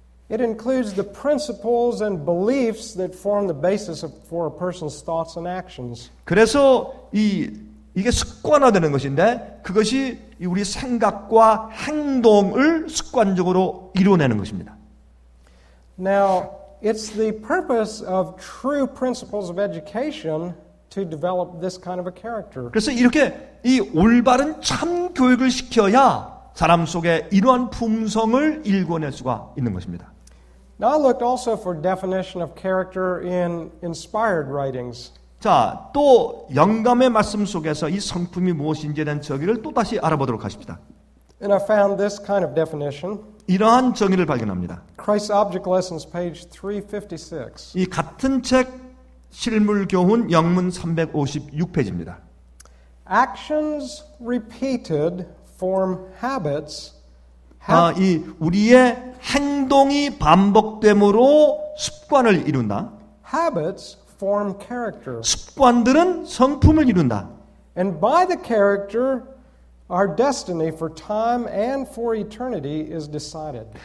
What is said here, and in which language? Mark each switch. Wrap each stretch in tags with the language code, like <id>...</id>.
<en>It includes the principles and beliefs that form the basis for a person's thoughts and actions.</en> <ko>그래서 이게 습관화되는 것인데 그것이 우리 생각과 행동을 습관적으로 이루어내는 것입니다.</ko> <en>Now, it's the purpose of true principles of education to develop this kind of a character.</en> <ko>그래서 이렇게 이 올바른 참 교육을 시켜야 사람 속에 이러한 품성을 일궈낼 수가 있는 것입니다.</ko> <en>Now I looked also for definition of character in inspired writings.</en> <ko>자, 또 영감의 말씀 속에서 이 성품이 무엇인지에 대한 정의를 또 다시 알아보도록 하십니다.</ko> <en>And I found this kind of definition.</en> <ko>이러한 정의를 발견합니다.</ko> <en>Christ's Object Lessons, page 356.</en> <ko>이 같은 책 실물 교훈 영문 356페이지입니다.</ko> <en>Actions repeated form habits.</en> <ko>이 우리의 행동이 반복됨으로 습관을 이룬다.</ko> <en>Habits form character.</en> <ko>습관들은 성품을 이룬다.</ko> <en>And by the character, our destiny for time and for eternity is decided.</en>